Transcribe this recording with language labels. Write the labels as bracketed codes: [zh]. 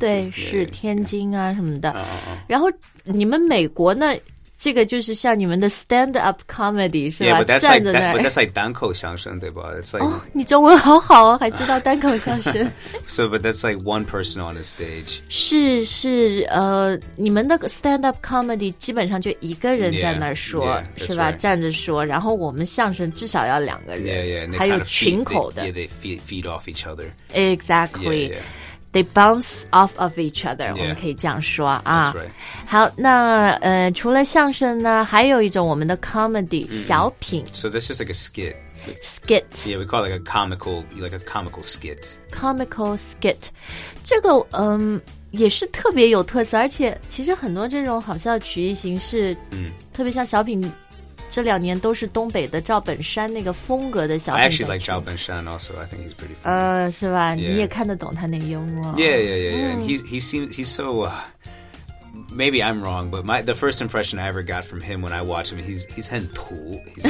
[zh] 对，是天津啊什么的。然后你们美国呢？这个就是像你们的 [en] stand up comedy [zh] 是吧？ [en] Yeah, but that's [zh] 站在那儿。 [en] Like, that, but that's like [zh] 单口相声对吧？ [en] It's like, [zh] 哦，你中文好好哦，还知道单口相声。 [en] So, but that's like one person on a stage. [zh] 是是，你们的 [en] stand up comedy [zh] 基本上就一个人在那儿说， [en] yeah, yeah, [zh] 是吧？ [en] Right. [zh] 站着说，然后我们相声至少要两个人， [en] yeah, yeah, [zh] 还有群口的。 [en] They feed off each other. Exactly. Yeah, yeah. They bounce off of each other, yeah, [zh] 我们可以这样说啊。 [en] That's right. [zh] 好，那除了相声呢，还有一种我们的 comedy,、mm-hmm. 小品。 [en] So this is like a skit. Skit. Yeah, we call it like a comical skit. Comical skit. [zh] 这个也是特别有特色，而且其实很多这种好笑曲艺形式，特别像小品，这两年都是东北的赵本山那个风格的小品。 [en] I actually like 赵本山 also. I think he's pretty funny. [zh] 是吧？ [en] Yeah. [zh] 你也看得懂他那个幽默。 [en] Yeah.、Mm. He seems so.、Maybe I'm wrong, but the first impression I ever got from him when I watched him, he's [zh] 很土